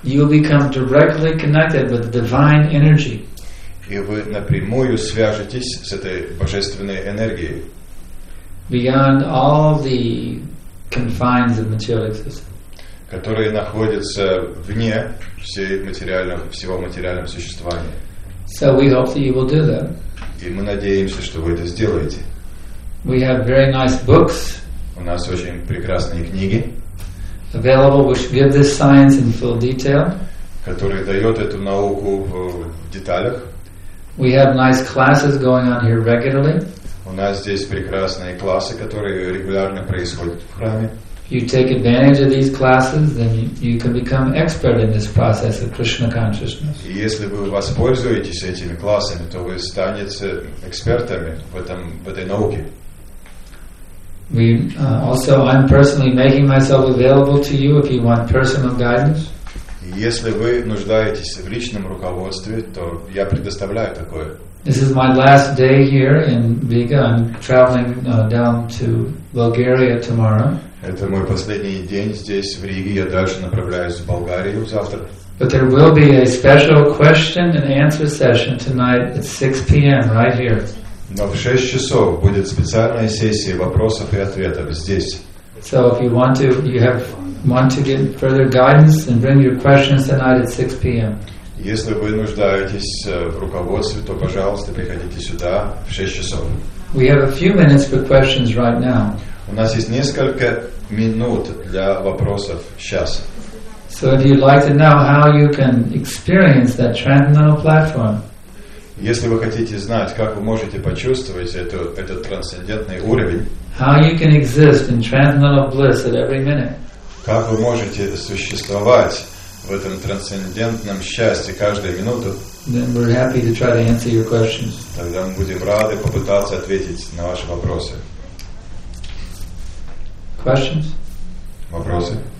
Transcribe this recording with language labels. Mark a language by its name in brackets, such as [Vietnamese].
[English] You will become directly connected with the divine energy. [Russian] И вы напрямую свяжетесь с этой божественной энергией. [English] Beyond all the confines of material existence. [Russian] Которые находятся вне всего материального существования. [English] So we hope that you will do that. [Russian] И мы надеемся, что вы это сделаете. [English] We have very nice books. [Russian] У нас очень прекрасные книги. [English] Available, which give this science in full detail. [Russian] Которые дают эту науку в деталях. [English] We have nice classes going on here regularly. [Russian] У нас здесь прекрасные классы, которые регулярно происходят в храме. [English] You take advantage of these classes, then you can become expert in this process of Krishna consciousness. [Russian] И если вы воспользуетесь этими классами, то вы станете экспертами в этой науке. [English] I'm personally making myself available to you if you want personal guidance. [Russian] Если вы нуждаетесь в личном руководстве, то я предоставляю такое. [English] This is my last day here in Riga. I'm traveling down to Bulgaria tomorrow. [Russian] Это мой последний день здесь, в Риге. Я дальше направляюсь в Болгарию завтра. [English] But there will be a special question and answer session tonight at 6 p.m. right here. [Russian] Но в 6 часов будет специальная сессия вопросов и ответов здесь. [English] So if you want to, you have want to get further guidance, then bring your questions tonight at 6 p.m. [Russian] Если вы нуждаетесь в руководстве, то, пожалуйста, приходите сюда в 6 часов. [English] We have a few minutes for questions right now. [Russian] У нас есть несколько минут для вопросов сейчас. [English] So if you'd like to know how you can experience that transcendental platform. [Russian] Если вы хотите знать, как вы можете почувствовать этот трансцендентный уровень. [English] How you can exist in transcendental bliss at every minute. [Russian] Как вы можете существовать в этом трансцендентном счастье каждую минуту. [English] Then we're happy to try to answer your questions. [Russian] Тогда мы будем рады попытаться ответить на ваши вопросы. [English] Questions? [Russian] Вопросы?